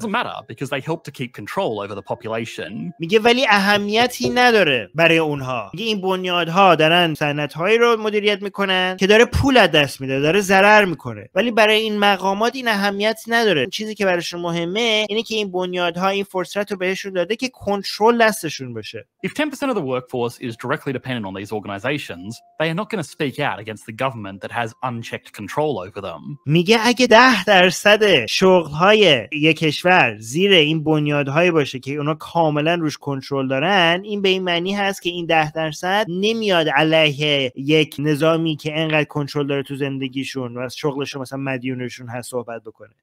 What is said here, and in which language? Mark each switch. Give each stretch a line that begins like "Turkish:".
English: doesn't matter because they help to keep control over the population.
Persian: میگه ولی اهمیتی نداره برای اونها میگه این بنیادها دارن صنعت هایی رو مدیریت میکنن که داره پول از دست میده داره ضرر میکنه ولی برای این مقامات این اهمیت نداره چیزی که براشون مهمه اینه که این بنیادها این فرصت رو بهشون داده که کنترل دستشون باشه
English: if 10% of the workforce is directly dependent on these organizations they are not going to speak out against the government that has unchecked control over them.
Persian: میگه اگه 10% شغل‌های یک کشور زیر این بنیادهای باشه که اونا کاملا روش کنترل دارن، این به این معنی هست که این 10% نمیاد علیه یک نظامی که انقدر کنترل داره تو زندگیشون و از شغلشون مثلا مدیونشون هست صحبت بکنه.